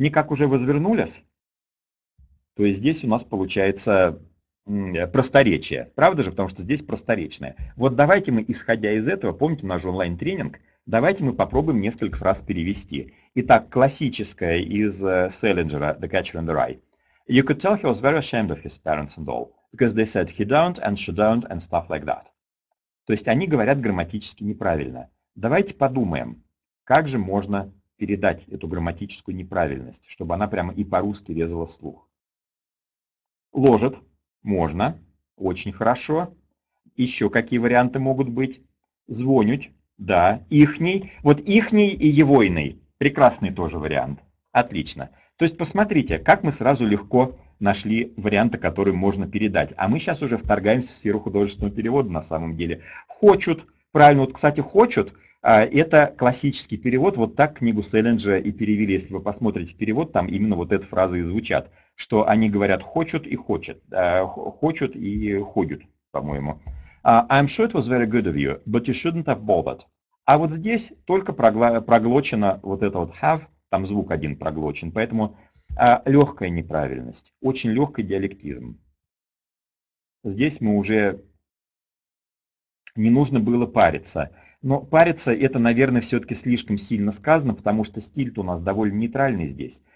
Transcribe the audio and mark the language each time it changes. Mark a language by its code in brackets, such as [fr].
[ru] Никак уже возвернулись? То есть здесь у нас получается просторечие. Правда же? Потому что здесь просторечное. Вот давайте мы, исходя из этого, помните, у нас же онлайн-тренинг, давайте мы попробуем несколько фраз перевести. Итак, классическая из Селлинджера, The Catcher in the Rye. [en] You could tell he was very ashamed of his parents and all, because they said he don't and she don't and stuff like that. [ru] То есть они говорят грамматически неправильно. Давайте подумаем. Как же можно передать эту грамматическую неправильность, чтобы она прямо и по-русски резала слух? Ложит. Можно. Очень хорошо. Еще какие варианты могут быть? Звонить. Да. Ихний. Вот ихний и егойный. Прекрасный тоже вариант. Отлично. То есть посмотрите, как мы сразу легко нашли варианты, которые можно передать. А мы сейчас уже вторгаемся в сферу художественного перевода на самом деле. Хочут. Правильно. Вот, кстати, хочут. Это классический перевод, вот так книгу Селлинджера и перевели. Если вы посмотрите перевод, там именно вот эта фраза и звучат, что они говорят «хочут» и «хочет», «хочут» и «ходят», по-моему. [en] I'm sure it was very good of you, but you shouldn't have bothered. [ru] А вот здесь только проглочено вот это вот «have», там звук один проглочен, поэтому легкая неправильность, очень легкий диалектизм. Здесь мы уже не нужно было париться. Но париться это, наверное, все-таки слишком сильно сказано, потому что стиль-то у нас довольно нейтральный здесь.